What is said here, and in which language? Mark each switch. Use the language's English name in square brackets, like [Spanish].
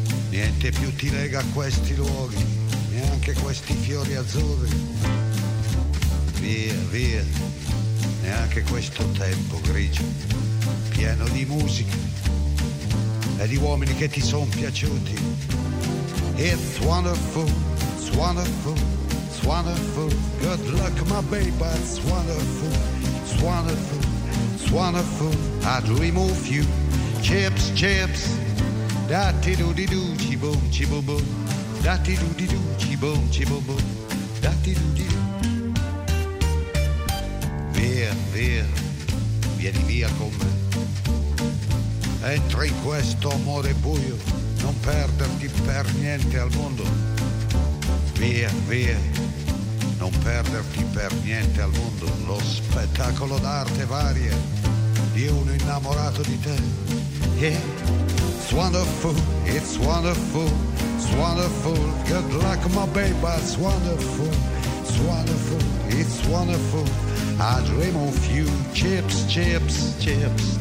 [Italian] Niente più ti lega a questi luoghi, neanche questi fiori azzurri. Via, neanche questo tempo grigio, pieno di musica. E di uomini che ti son piaciuti. [English] It's wonderful, it's wonderful, it's wonderful. Good luck, my baby, it's wonderful, it's wonderful, it's wonderful. I'd remove you. Chips, chips. Da-ti-do-di-doo, chi-boom, chi-boom-boom. Da-ti-do-di-doo, chi-boom, chi-boom-boom. Da-ti-do-di-doo. [Italian] Via, vieni via con me. Entra in questo amore buio, non perderti per niente al mondo. Via, non perderti per niente al mondo. Lo spettacolo d'arte varia, innamorato di te. [English] Yeah, it's wonderful, it's wonderful, it's wonderful. Good luck, my baby, it's wonderful, it's wonderful, it's wonderful. I dream of you, chips, chips, chips.